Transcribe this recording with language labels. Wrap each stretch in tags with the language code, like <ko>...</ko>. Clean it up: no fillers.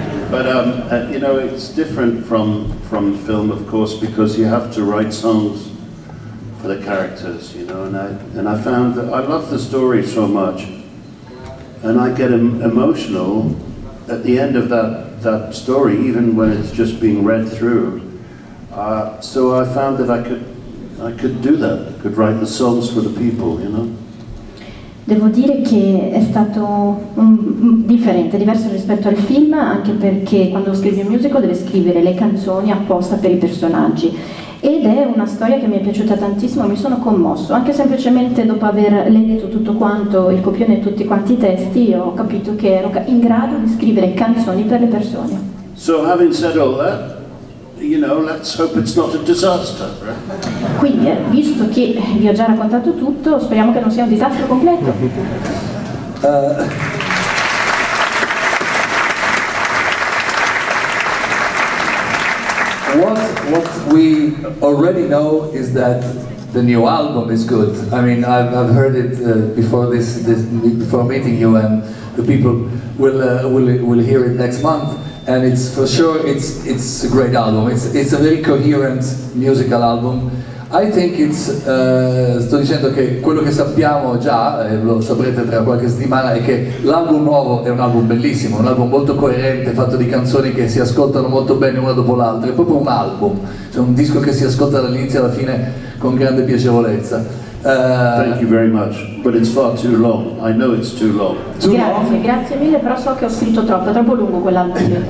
<en>But you know, it's different from film, of course, because you have to write songs for the characters, you know, and I found that I love the story so much, and I get emotional at the end of that story, even when it's just being read through. So I found that I could do that. I could write the songs for the people, you know.</en> <it>Devo dire che è stato differente, diverso rispetto al film, anche perché quando scrivi un musical deve scrivere le canzoni apposta per i personaggi. Ed è una storia che mi è piaciuta tantissimo, mi sono commosso. Anche semplicemente dopo aver letto tutto quanto, il copione e tutti quanti i testi, ho capito che ero in grado di scrivere canzoni per le persone.</it> <en>So having said all that, you know, let's hope it's not a disaster, right?</en> <it>Quindi, visto che vi ho già raccontato tutto, speriamo che non sia un disastro completo.</it> <en>What we already know is that the new album is good. I mean, I've heard it before before meeting you, and the people will hear it next month. And it's for sure it's a great album. It's a very coherent musical album. I think it's</en> <it>sto dicendo che quello che sappiamo già, lo saprete tra qualche settimana, è che l'album nuovo è un album bellissimo, un album molto coerente, fatto di canzoni che si ascoltano molto bene una dopo l'altra, è proprio un album, cioè un disco che si ascolta dall'inizio alla fine con grande piacevolezza.</it> <en>Thank you very much, but it's far too long. I know it's too long.</en> <it>Grazie mille, però so che ho scritto troppo, è troppo lungo quell'album.</it>